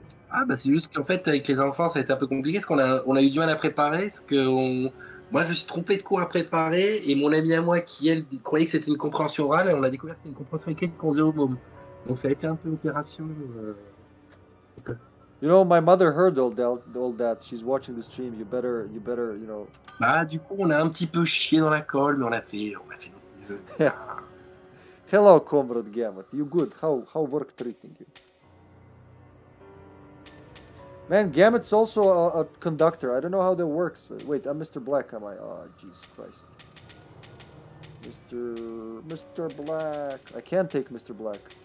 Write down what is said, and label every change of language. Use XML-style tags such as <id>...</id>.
<fr>Ah bah c'est juste qu'en fait avec les enfants ça a été un peu compliqué parce qu'on a eu du mal à préparer parce que moi je me suis trompé de cours à préparer et mon ami à moi qui elle croyait que c'était une compréhension orale et on a découvert que c'était une compréhension écrite qu'on faisait au môme. Donc ça a été un peu opération</fr> <en>You know my mother heard all that she's watching the stream you better you know.</en> <fr>Bah du coup on a un petit peu chié dans la colle mais on a fait notre mieux.</fr> <en>Hello comrade Gamut, you good? How work treating you? Man, Gamut's also a conductor. I don't know how that works. Wait, I'm Mr. Black, am I? Oh, Jesus Christ. Mr. Black. I can't take Mr. Black.</en>